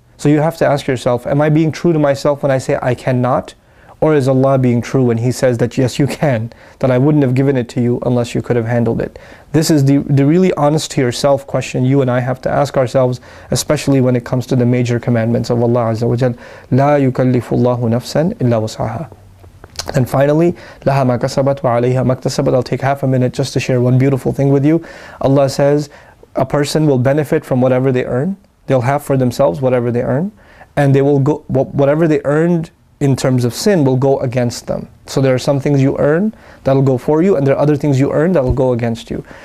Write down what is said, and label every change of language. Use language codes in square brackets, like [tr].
[en] So you have to ask yourself, am I being true to myself when I say I cannot? Or is Allah being true when He says that yes, you can, that I wouldn't have given it to you unless you could have handled it? This is the really honest to yourself question you and I have to ask ourselves, especially when it comes to the major commandments of Allah Azza wa Jal. [ar] لا يكلف الله نفسا إلا وسعها. [en] And finally, [ar] لَهَا مَا كَسَبَتْ وَعَلَيْهَا مَا اكْتَسَبَتْ. [en] I'll take half a minute just to share one beautiful thing with you. Allah says, a person will benefit from whatever they earn. They'll have for themselves whatever they earn. And they will go, whatever they earned in terms of sin will go against them. So there are some things you earn that'll go for you, and there are other things you earn that'll go against you.